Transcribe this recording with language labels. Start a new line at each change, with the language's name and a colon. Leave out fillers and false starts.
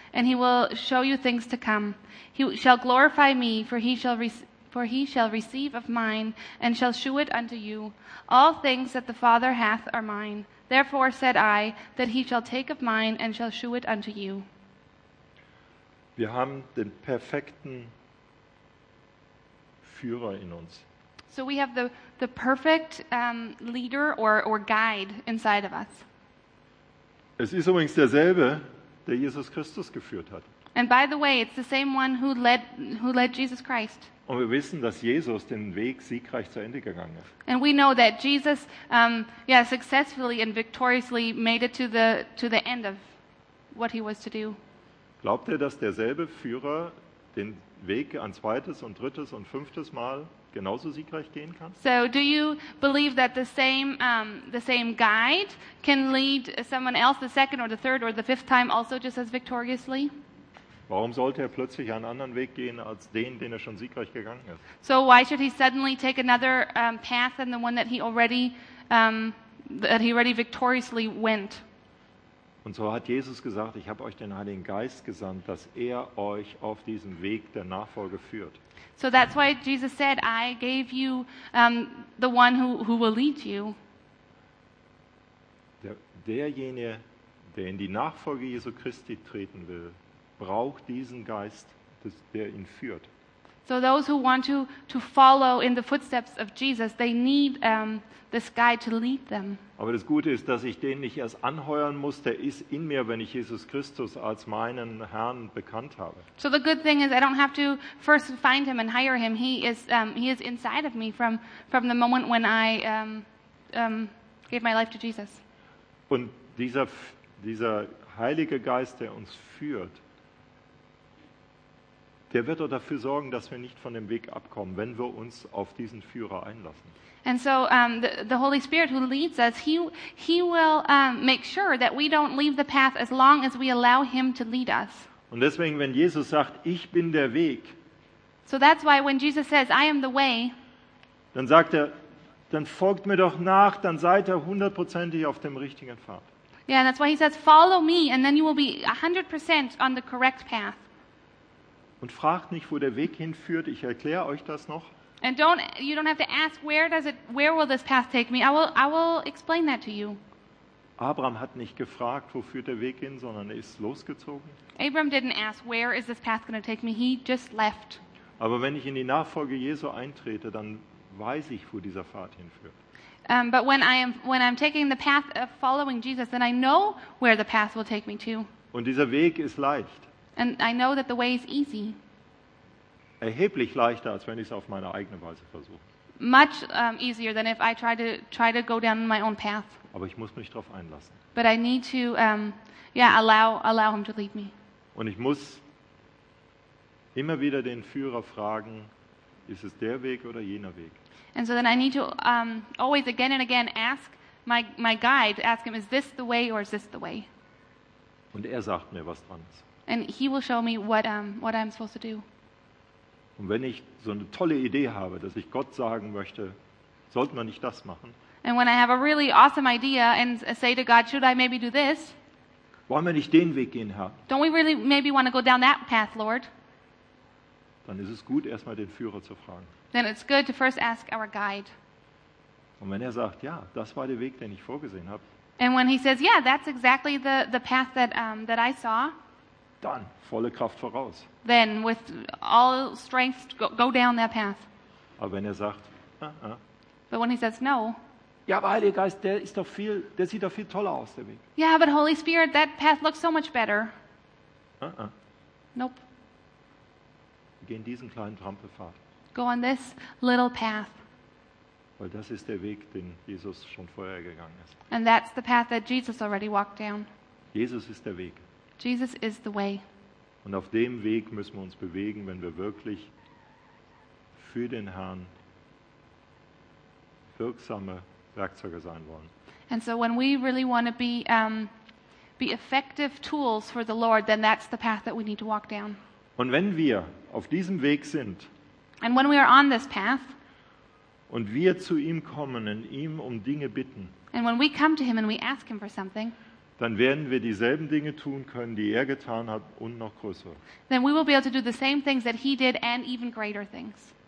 English: And he will show you things to come. He shall glorify me, for he shall receive of mine, and shall shew it unto you. All things that the Father hath are mine. Therefore said I, that he shall take of mine, and shall shew it unto you.
German: Wir haben den perfekten Führer in uns.
English: So we have the perfect leader or guide inside of us.
German: Es ist übrigens derselbe, der Jesus Christus geführt hat.
English: And by the way, it's the same one who led Jesus Christ.
German: Und wir wissen, dass Jesus den Weg siegreich zu Ende gegangen ist.
English: And we know that Jesus successfully and victoriously made it to the end of what he was to do.
German: Glaubt ihr, dass derselbe Führer den Weg ein zweites und drittes und fünftes Mal genauso siegreich gehen kann?
English: So, do you believe that the same guide can lead someone else the second or the third or the fifth time also just as victoriously?
German: Warum sollte er plötzlich einen anderen Weg gehen als den er schon siegreich gegangen ist?
English: So why should he suddenly take another path than the one that he already victoriously went?
German: Und so hat Jesus gesagt, ich habe euch den Heiligen Geist gesandt, dass er euch auf diesem Weg der Nachfolge führt.
English: So that's why Jesus said, I gave you the one who will lead you.
German: Derjenige, der in die Nachfolge Jesu Christi treten will, braucht diesen Geist, der ihn führt.
English: So those who want to follow in the footsteps of Jesus, they need this guy to lead them.
German: Aber das Gute ist, dass ich den nicht erst anheuern muss, der ist in mir, wenn ich Jesus Christus als meinen Herrn bekannt habe.
English: So the good thing is I don't have to first find him and hire him. He is inside of me from the moment when I gave my life to Jesus.
German: Und dieser Heilige Geist, der uns führt, der wird auch dafür sorgen, dass wir nicht von dem Weg abkommen, wenn wir uns auf diesen Führer einlassen.
English: And so the Holy Spirit who leads us, he will make sure that we don't leave the path as long as we allow him to lead us.
German: Und deswegen, wenn Jesus sagt, ich bin der Weg.
English: So that's why when Jesus says, I am the way.
German: Dann sagt er, dann folgt mir doch nach, dann seid ihr hundertprozentig auf dem richtigen Pfad.
English: Yeah, that's why he says, follow me and then you will be 100% on the correct path.
German: Und fragt nicht, wo der Weg hinführt. Ich erkläre euch das noch.
English: And you don't have to ask where will this path take me? I will explain that to you.
German: Abraham hat nicht gefragt, wo führt der Weg hin, sondern er ist losgezogen.
English: Abraham didn't ask where is this path going to take me. He just left.
German: Aber wenn ich in die Nachfolge Jesu eintrete, dann weiß ich, wo dieser Pfad hinführt.
English: But when I'm taking the path of following Jesus, then I know where the path will take me to.
German: Und dieser Weg ist leicht.
English: And I know that the way is easy.
German: Erheblich leichter, als wenn ich es auf meine eigene Weise versuche.
English: Much easier than if I try to go down my own path.
German: Aber ich muss mich darauf einlassen.
English: But I need to allow him to lead me.
German: Und ich muss immer wieder den Führer fragen, ist es der Weg oder jener Weg?
English: And so then I need to always again and again ask my guide, ask him, is this the way or is this the way?
German: Und er sagt mir, was dran ist.
English: And he will show me what I'm supposed to do.
German: Und wenn ich so eine tolle Idee habe, dass ich Gott sagen möchte, sollte man nicht das machen?
English: And when I have a really awesome idea and say to God, should I maybe do this?
German: Wollen wir nicht den Weg gehen, Herr?
English: Don't we really maybe want to go down that path, Lord?
German: Dann ist es gut, erstmal den Führer zu fragen.
English: Then it's good to first ask our guide.
German: Und wenn er sagt, ja, das war der Weg, den ich vorgesehen habe.
English: And when he says, yeah, that's exactly the path that that I saw.
German: Dann volle Kraft voraus.
English: Then with all strength go down that path.
German: Aber wenn er sagt,
English: But when he says no.
German: Ja, aber Heiliger Geist, der sieht doch viel toller aus, der Weg.
English: Yeah, but Holy Spirit, that path looks so much better. Nope.
German: Wir gehen diesen kleinen Trampelpfad.
English: Go on this little path.
German: Weil das ist der Weg, den Jesus schon vorher gegangen ist.
English: And that's the path that Jesus already walked down.
German: Jesus ist der Weg.
English: Jesus is the way.
German: Und auf dem Weg müssen wir uns bewegen, wenn wir wirklich für den Herrn wirksame Werkzeuge sein wollen.
English: And so when we really want to be effective tools for the Lord, then that's the path that we need to walk down.
German: Und wenn wir auf diesem Weg sind,
English: and when we are on this path,
German: und wir zu ihm kommen und ihm um Dinge bitten,
English: and when we come to him and we ask him for something,
German: dann werden wir dieselben Dinge tun können, die er getan hat und noch größere.
English: Then we will be able to do the same things that he did and even greater things.